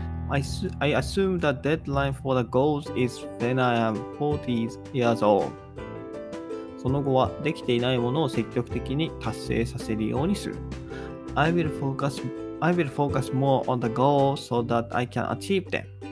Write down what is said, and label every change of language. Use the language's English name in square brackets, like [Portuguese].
[English] I assume the deadline for the goals is when I am 40 years old. [Japanese] その後はできていないものを積極的に達成させるようにする。 [English] I will focus more on the goal so that I can achieve them.